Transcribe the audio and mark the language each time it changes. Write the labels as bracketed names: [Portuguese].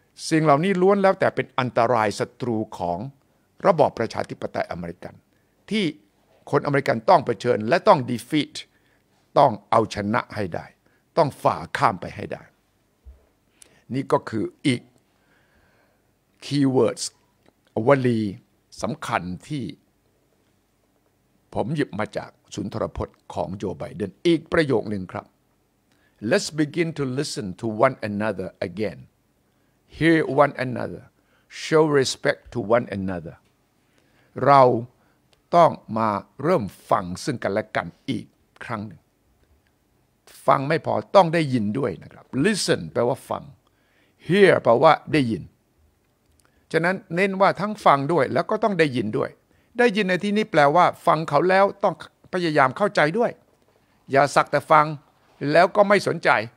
[Thai] สิ่งเหล่านี้ล้วนแล้วแต่เป็นอันตรายศัตรูของระบอบประชาธิปไตยอเมริกันที่คนอเมริกันต้องเผชิญและต้อง defeat ต้องเอาชนะให้ได้ต้องฝ่าข้ามไปให้ได้นี่ก็คืออีก keywords วลีสำคัญที่ผมหยิบมาจากสุนทรพจน์ของโจไบเดนอีกประโยคหนึ่งครับ [English] Let's begin to listen to one another again. Hear one another. Show respect to one another. [Thai] เราต้องมาเริ่มฟังซึ่งกันและกันอีกครั้งหนึ่งฟังไม่พอต้องได้ยินด้วยนะครับ Listen แปลว่าฟัง Hear แปลว่าได้ยินฉะนั้นเน้นว่าทั้งฟังด้วยแล้วก็ต้องได้ยินด้วยได้ยินในที่นี้แปลว่าฟังเขาแล้วต้องพยายามเข้าใจด้วยอย่าสักแต่ฟังแล้วก็ไม่สนใจ